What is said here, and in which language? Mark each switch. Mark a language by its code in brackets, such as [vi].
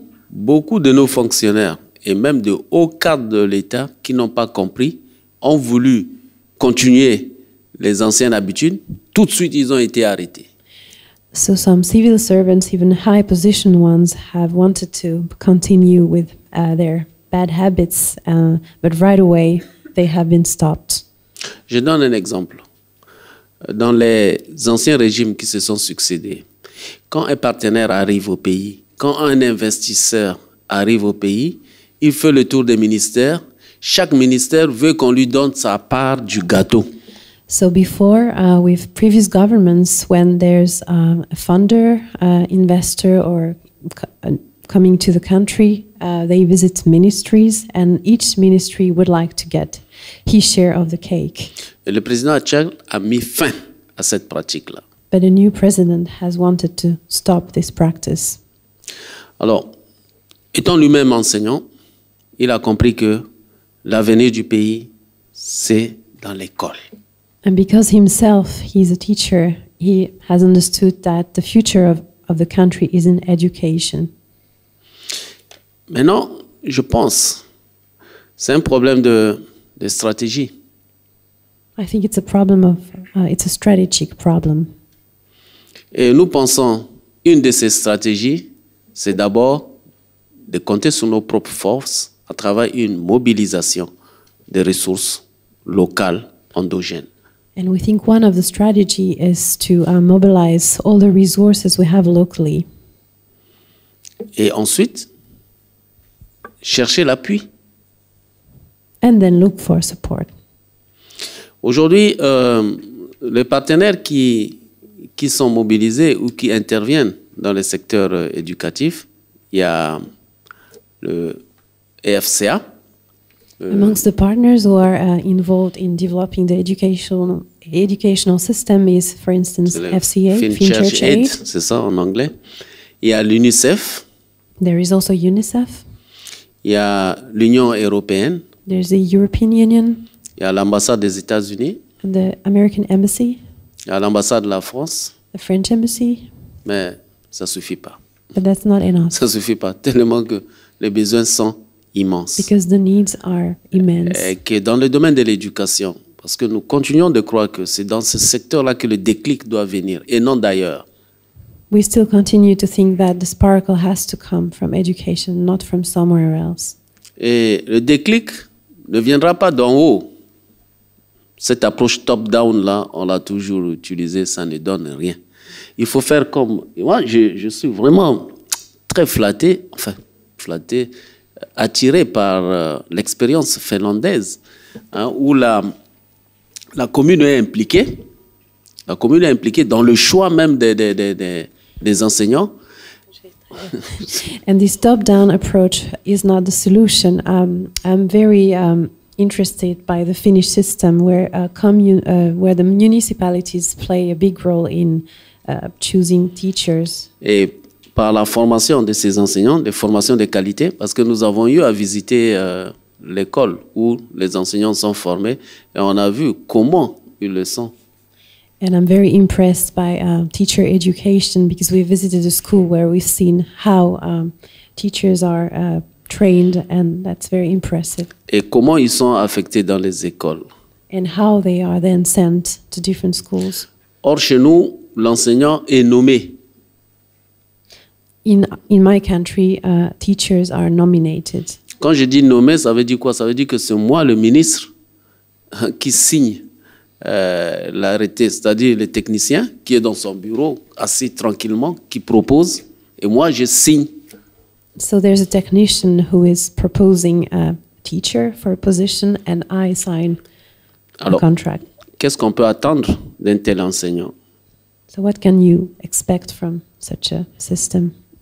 [fr] Beaucoup de nos fonctionnaires et même de hauts cadres de l'État qui n'ont pas compris ont voulu continuer les anciennes habitudes. Tout de suite, ils ont été arrêtés. [en] So some civil servants, even high position ones, have wanted to continue with their bad habits, but right away they have been stopped. [fr] Je donne un exemple. Dans les anciens régimes qui se sont succédés, quand un partenaire arrive au pays, quand un investisseur arrive au pays, il fait le tour des ministères. Chaque ministère veut qu'on lui donne sa part du gâteau. [en] So before, with previous governments, when there's a funder, investor, or coming to the country, they visit ministries, and each ministry would like to get his share of the cake. [fr] Et le président actuel a mis fin à cette pratique-là. [en] But a new president has wanted to stop this practice. [fr] Alors, étant lui-même enseignant, il a compris que l'avenir du pays, c'est dans l'école. [en] And because himself he's a teacher, he has understood that the future of the country is in education. [fr] Maintenant, je pense, c'est un problème de stratégie. [en] I think it's a problem of it's a strategic problem. [fr] Et nous pensons une de ces stratégies, c'est d'abord de compter sur nos propres forces à travers une mobilisation des ressources locales endogènes. [en] And we think one of the strategy is to mobilize all the resources we have locally. [fr] Et ensuite, chercher l'appui. [en] And then look for support. [fr] Aujourd'hui, les partenaires qui sont mobilisés ou qui interviennent dans le secteur éducatif, il y a le EFCA. [en] Amongst the partners who are involved in developing the educational system is, for instance, FCA, Finchurch Aid. [fr] C'est ça en anglais. Il y a l'UNICEF. [en] There is also UNICEF. [fr] Il y a l'Union européenne. [en] There's the European Union. [fr] Il y a l'ambassade des États-Unis. [en] And the American Embassy. [fr] Il y a l'ambassade de la France. [en] The French Embassy. [fr] Mais ça suffit pas. [en] But that's not enough. [fr] Ça suffit pas tellement que les besoins sont immenses. [en] Because the needs are immense. [fr] Et que dans le domaine de l'éducation, parce que nous continuons de croire que c'est dans ce secteur-là que le déclic doit venir, et non d'ailleurs. [en] We still continue to think that the sparkle has to come from education, not from somewhere else. [fr] Et le déclic ne viendra pas d'en haut. Cette approche top-down là, on l'a toujours utilisée, ça ne donne rien. Il faut faire comme moi. Je suis vraiment très flatté, enfin flatté, attiré par l'expérience finlandaise, hein, où la commune est impliquée. La commune est impliquée dans le choix même des enseignants. [en] And this top-down approach is not the solution. I'm very interested by the Finnish system, where where the municipalities play a big role in choosing teachers. [fr] Et par la formation de ces enseignants, des formations de qualité, parce que nous avons eu à visiter l'école où les enseignants sont formés, et on a vu comment ils le sont. [en] And I'm very impressed by teacher education, because we visited a school where we've seen how teachers are trained, and that's very impressive. [fr] Et comment ils sont affectés dans les écoles. [en] And how they are then sent to different schools. [fr] Or, chez nous, l'enseignant est nommé. [en] In my country, teachers are nominated. [fr] Quand je dis nommé, ça veut dire quoi? Ça veut dire que c'est moi, le ministre, qui signe l'arrêté, c'est-à-dire le technicien qui est dans son bureau, assis tranquillement, qui propose, et moi, je signe. [en] So there's a technician who is proposing a teacher for a position, and I sign [fr] Alors, [en] a contract. [fr] Qu'est-ce qu'on peut attendre d'un tel enseignant? [en] So what can you expect from such a system?